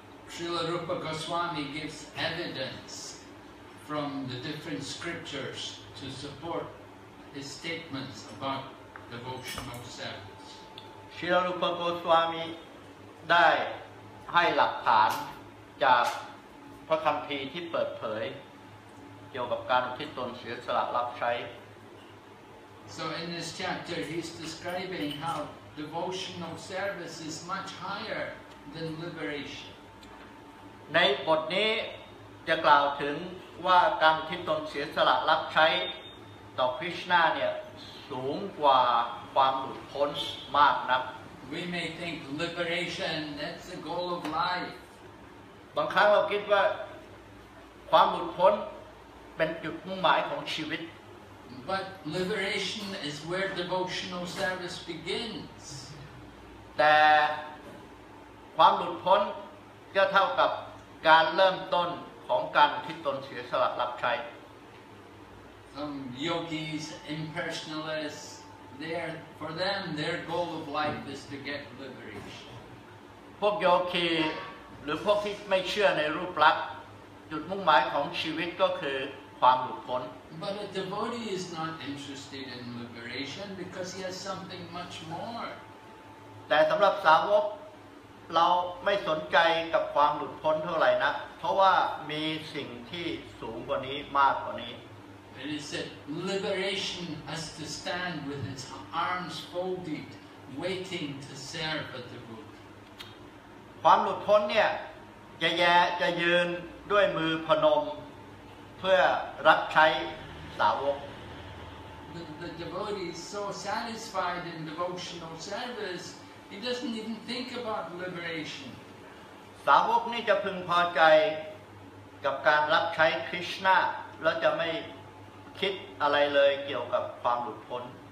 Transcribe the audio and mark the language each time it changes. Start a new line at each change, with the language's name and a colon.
English: Srila Rupa Goswami gives evidence from the different scriptures to support his statements about devotional service.
Thai: ศรีรูปโกสวามีได้ให้หลักฐานจากพระคัมภีร์ที่เปิดเผยเกี่ยวกับการอุทิศตนเสียสละรับใช้
English: So in this chapter he's describing how devotional service is much higher than liberation
Thai: ในบทนี้จะกล่าวถึงว่าการอุทิศตนเสียสละรับใช้ต่อคริชนาเนี่ยสูงกว่าความหลุดพ้นมากนัก
English: We may think liberation that's the goal of life
Thai: บางครั้งเราคิดว่าความหลุดพ้นเป็นจุดมุ่งหมายของชีวิต
English: But liberation is where devotional service begins
Thai: แต่ความหลุดพ้นก็เท่ากับการเริ่มต้นของการที่ตนเสียสละรับใช้
English: Some yogis impersonalistsFor them, their goal of life is to get liberation.
Thai: พวกโยคีหรือพวกที่ไม่เชื่อในรูปลักษณ์จุดมุ่งหมายของชีวิตก็คือความหลุดพ้น
English: But a devotee is not interested in liberation because he has something much more.
Thai: แต่สำหรับสาวกเราไม่สนใจกับความหลุดพ้นเท่าไหร่นะเพราะว่ามีสิ่งที่สูงกว่านี้มากกว่านี้
English: It is that liberation has to stand with its arms folded, waiting to serve the devotee.
Thai: ความหลุดพ้นเนี่ยจะยืนด้วยมือพนมเพื่อรับใช้สาวก
English: The devotee is so satisfied in devotional service, he doesn't even think about liberation.
Thai: สาวกนี่จะพึงพอใจกับการรับใช้คริชนาแล้วจะไม่คิดอะไรเลยเกี่ยวกับความหลุดพ้น